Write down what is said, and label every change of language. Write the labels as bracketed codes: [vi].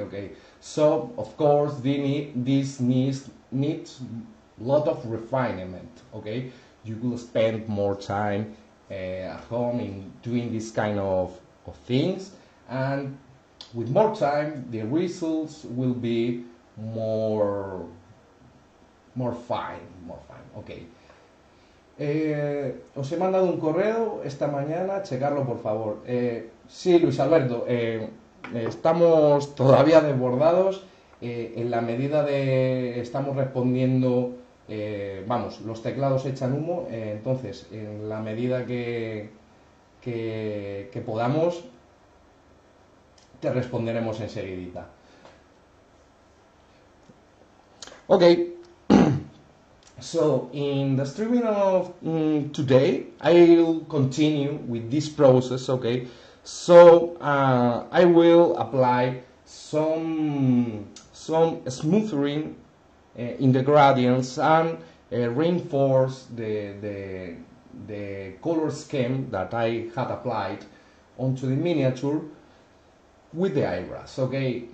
[en] Okay, so of course this needs lot of refinement. Okay, you will spend more time at home in doing this kind of things, and with more time the results will be more fine. Okay. [es] Os he mandado un correo esta mañana, checarlo por favor. Sí, Luis Alberto, estamos todavía desbordados en la medida de estamos respondiendo, vamos, los teclados echan humo, entonces en la medida que podamos te responderemos enseguidita. [en] Okay. So, in the streaming of today, I'll continue with this process, okay? So, I will apply some smoothing in the gradients and reinforce the color scheme that I had applied onto the miniature with the iris, okay?